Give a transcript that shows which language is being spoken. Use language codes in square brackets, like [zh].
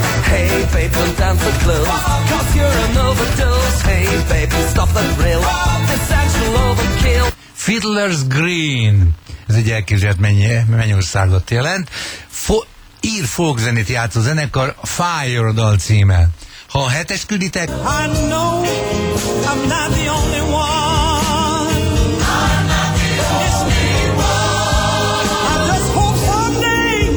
[en] Hey baby, dance the clothes, cause you're an overdose. Hey baby, stop the thrill, this actual overkill. [hu] Fiddler's Green, ez egy elképzelt mennyországot jelent. Ír folk zenét játszó zenekar, Fire dal címe. Ha a hetes külditek... [en] I know I'm not the only one. I'm not the only one. I just hope someday.